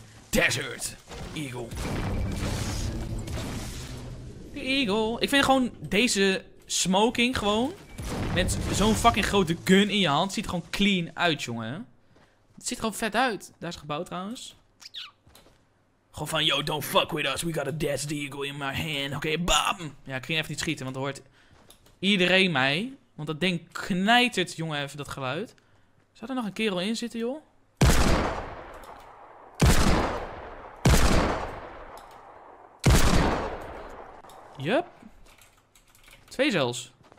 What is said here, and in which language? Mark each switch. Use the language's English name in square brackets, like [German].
[Dutch] Desert Eagle. De Eagle. Ik vind gewoon deze smoking gewoon. Met zo'n fucking grote gun in je hand. Ziet er gewoon clean uit, jongen. Het ziet er gewoon vet uit. Daar is het gebouw trouwens. [English] Gewoon van, yo, don't fuck with us. We got a Desert Eagle in my hand. [Dutch] Oké, okay, bam. Ja, ik ging even niet schieten, want dan hoort iedereen mij. Want dat ding knijtert, jongen, even dat geluid. Zou er nog een kerel in zitten, joh? Yup. 2 zelfs.